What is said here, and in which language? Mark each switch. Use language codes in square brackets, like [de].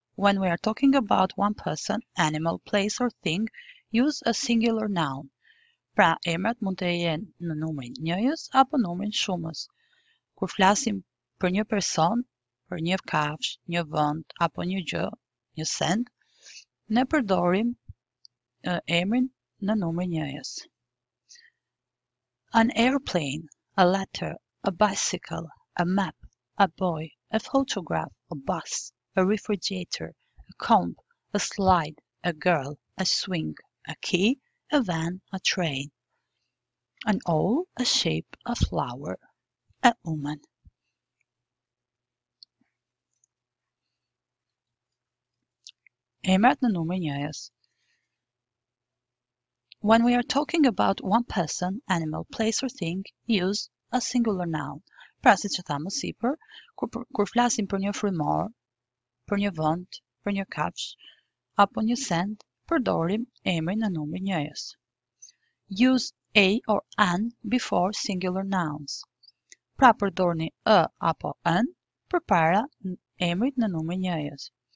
[en] When we are talking about one person, animal, place or thing, use a singular noun. [sq] Pra, emrat mund të jenë në numrin njëjës apo numrin shumës. Kur flasim për një person, për një kafsh, një vend apo një gjë, një send, ne përdorim emrin në numrin njëjës. [en] An airplane, a letter, a bicycle, a map, a boy, a photograph, a bus, a refrigerator, a comb, a slide, a girl, a swing, a key, a van, a train. An owl, a sheep, a flower, a woman. [sq] Emrat në numrin njëjës. [en] When we are talking about one person, animal, place or thing, use a singular noun. [sq] Pra si që thamë sipër, kur flasim për një frymor, për një vend, për një kafsh apo një send, përdorim emrin në numrin njëjës. [en] Use a or an before singular nouns. [sq] Pra përdorni a apo an përpara emrit në numrin njëjës.